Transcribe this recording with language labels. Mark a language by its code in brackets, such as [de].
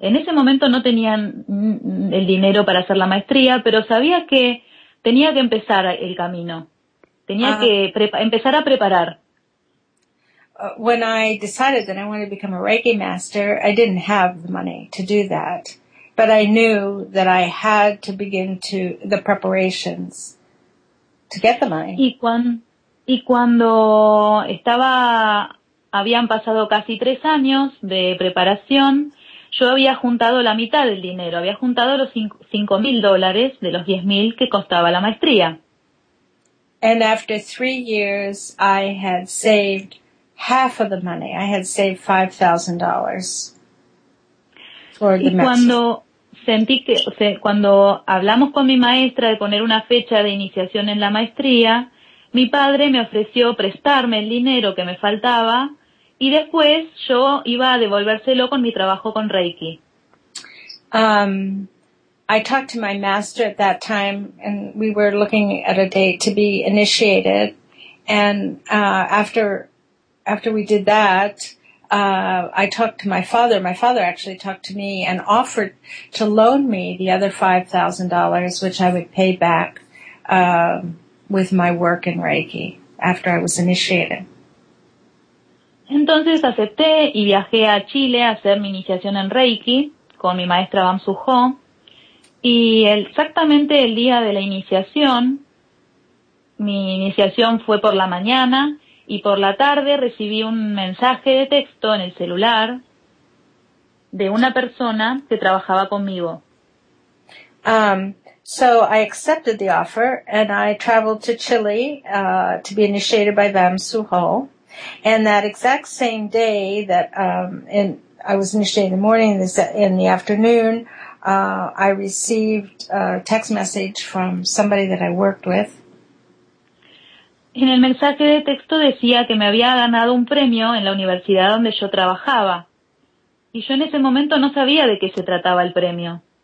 [es] En ese momento no tenían el dinero para hacer la maestría, pero sabía que tenía que empezar el camino. Tenía que empezar a preparar. [en] When I decided that I wanted to become a Reiki master, I didn't have the money to do that. But I knew that I had to begin to the preparations to get the money. [es] Y cuando estaba, habían pasado casi 3 años de preparación, yo había juntado la mitad del dinero, había juntado los $5,000 de los 10,000 que costaba la maestría. [en] And after 3 years, I had saved half of the money. I had saved $5,000 for the maestría. [es] Cuando hablamos con mi maestra de poner una fecha de iniciación en la maestría, mi padre me ofreció prestarme el dinero que me faltaba y después yo iba a devolvérselo con mi trabajo con Reiki. [en] I talked to my master at that time and we were looking at a date to be initiated. And after we did that, I talked to my father. My father actually talked to me and offered to loan me the other $5,000, which I would pay back with my work in Reiki after I was initiated. [es] Entonces acepté y viajé a Chile a hacer mi iniciación en Reiki con mi maestra Bamsu Ho. Y exactamente el día de la iniciación, mi iniciación fue por la mañana y por la tarde recibí un mensaje de texto en el celular de una persona que trabajaba conmigo. [en] So I accepted the offer and I traveled to Chile to be initiated by Bamsu Ho. And that exact same day that I was initiated in the morning, in the afternoon, I received a text message from somebody that I worked with. [es] En el mensaje de texto decía que me había ganado un premio en la universidad donde yo trabajaba. Y yo en ese momento no sabía de qué se trataba el premio.